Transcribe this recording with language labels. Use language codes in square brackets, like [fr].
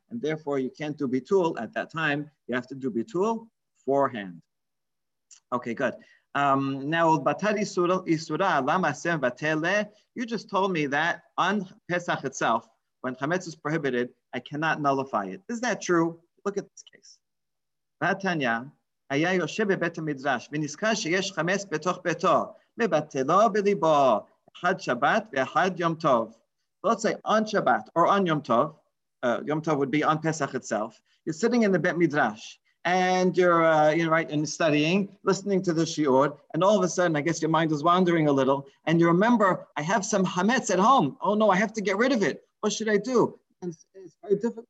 [en] And therefore you can't do bitul at that time. You have to do bitul beforehand. Okay, good. [arc] Now, batal isura, lama sem batele. [en] You just told me that on Pesach itself, when chametz is prohibited, I cannot nullify it. Is that true? Look at this case. Batanya. [he] היה יושב בבית המדרש, ונזכר שיש חמץ בתוך ביתו, מבטלו בליבו, אחד שבת ואחד יום טוב. [en] Let's say on Shabbat or on Yom Tov, Yom Tov would be on Pesach itself. You're sitting in the Bet Midrash and you're studying, listening to the Shiur, and all of a sudden, I guess your mind is wandering a little, and you remember, I have some chametz at home. Oh no, I have to get rid of it. What should I do? And it's very difficult.